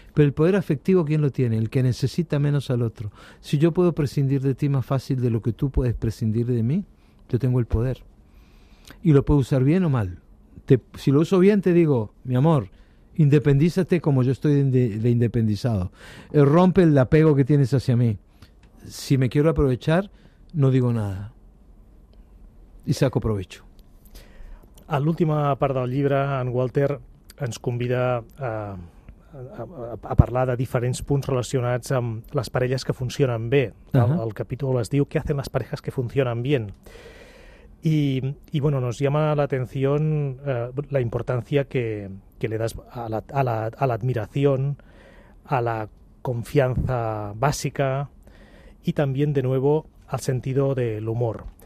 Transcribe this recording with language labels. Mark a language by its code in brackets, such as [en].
[es] Pero el poder afectivo, ¿quién lo tiene? El que necesita menos al otro. Si yo puedo prescindir de ti más fácil de lo que tú puedes prescindir de mí, yo tengo el poder. Y lo puedo usar bien o mal. Si lo uso bien, te digo, mi amor, independízate como yo estoy de independizado. Rompe el apego que tienes hacia mí. Si me quiero aprovechar, no digo nada. Y saco provecho. [ca] A l'última part del llibre, en Walter ens convida a parlar de diferents punts relacionats amb les parelles que funcionen bé. Uh-huh. El capítol es diu "Què [es] hacen las parejas que funcionan bien?". Y bueno, nos llama la atención la importancia que le das a la admiración, a la confianza básica y también, de nuevo, al sentido del humor.